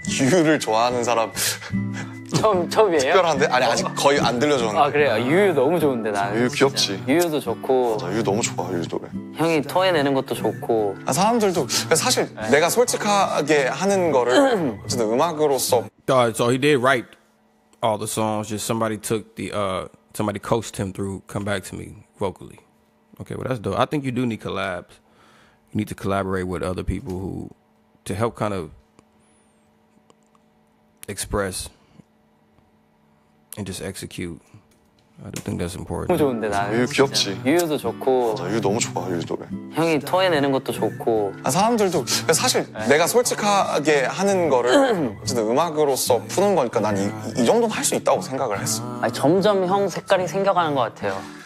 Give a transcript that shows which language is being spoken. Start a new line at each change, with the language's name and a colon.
Korean: 유유를 좋아하는 사람 처음이에요? 특별한데? 아니 아직 거의 안 들려줬는데. 아 그래요? 유유 너무 좋은데 나. 유유 귀엽지. 진짜. 유유도 좋고. 맞아, 유유 너무 좋아. 유유 노래. 형이 토해내는 것도 좋고. 아, 사람들도 사실 네. 내가 솔직하게 하는 거를 어쨌든 음악으로서.
English: So he did write all the songs. Just somebody took the somebody coached him through Come Back to Me vocally. Okay, well that's dope. I think you do need collabs. You need to collaborate with other people who to help kind of. Express and just execute. I do think that's important.
Korean: 너무 좋은데 나. 유유 귀엽지. 유유도 좋고. 맞아, 유유 너무 좋아 유유 노래. 형이 토해내는 것도 좋고. 아 사람들도 사실 네. 내가 솔직하게 하는 거를 어쨌든 음악으로서 푸는 거니까 난 이 정도는 할 수 있다고 생각을 했어. 아니, 점점 형 색깔이 생겨가는 것 같아요.